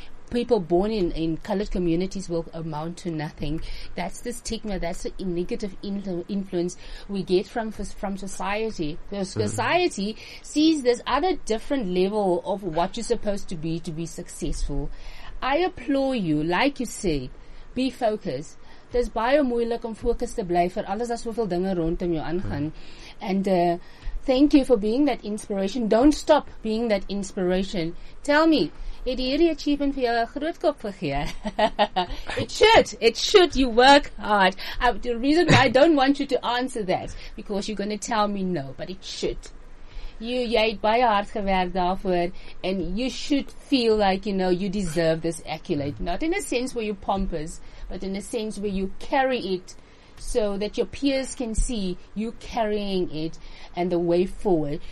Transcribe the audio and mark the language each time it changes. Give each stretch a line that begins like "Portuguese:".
English: People born in colored communities will amount to nothing. That's the stigma. That's the negative influence we get from society. Because society sees this other different level of what you're supposed to be successful. I applaud you. Like you said, be focused.
Afrikaans: Dit is baie moeilik om fokus te bly vir alles as soveel dinge rondom jou aangaan.
English: And thank you for being that inspiration. Don't stop being that inspiration. Tell me,
Afrikaans: het hierdie achievement vir jou 'n groot kop gegee?
English: It should. You work hard. The reason why I don't want you to answer that, because you're going to tell me no, but it should.
Afrikaans: Jy het baie hard gewerk daarvoor,
English: and you should feel like, you know, you deserve this accolade. Not in a sense where you're pompous, but in a sense where you carry it so that your peers can see you carrying it and the way forward.